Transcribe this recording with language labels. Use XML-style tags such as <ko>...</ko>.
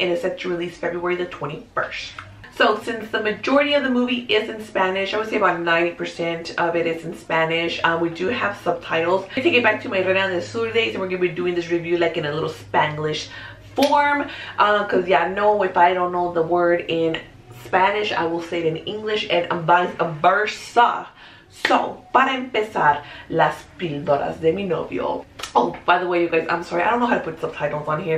<en>It is set to release February the 21st. So since the majority of the movie is in Spanish, I would say about 90% of it is in Spanish, we do have subtitles. I take it back to my Reina del Sur days, and we're going to be doing this review like in a little Spanglish form. Because yeah, no, if I don't know the word in Spanish, I will say it in English and vice versa.</en> <es>So, para empezar, las píldoras de mi novio.</es> <en>Oh, by the way, you guys, I'm sorry, I don't know how to put subtitles on here.</en>